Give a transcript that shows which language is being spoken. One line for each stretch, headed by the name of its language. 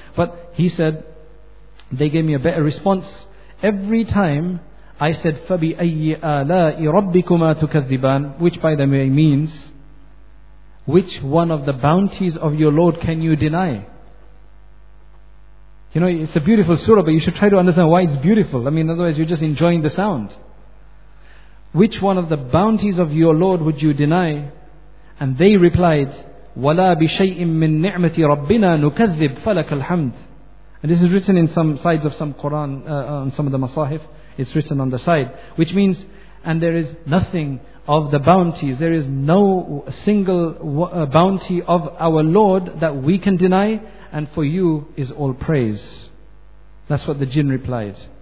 English: But he said, they gave me a better response. Every time I said,
Arabic: فَبِأَيِّ آلَاءِ رَبِّكُمَا تُكَذِّبَانِ,
English: which by the way means, which one of the bounties of your Lord can you deny? You know, it's a beautiful surah, but you should try to understand why it's beautiful. I mean, otherwise you're just enjoying the sound. Which one of the bounties of your Lord would you deny? And they replied,
Arabic: وَلَا بِشَيْءٍ مِّن نِعْمَةِ رَبِّنَا نُكَذِّبْ فَلَكَ الْحَمْدِ.
English: And this is written in some sides of some Quran, on some of the masahif. It's written on the side. Which means, and there is nothing of the bounties. There is no single bounty of our Lord that we can deny. And for you is all praise. That's what the jinn replied.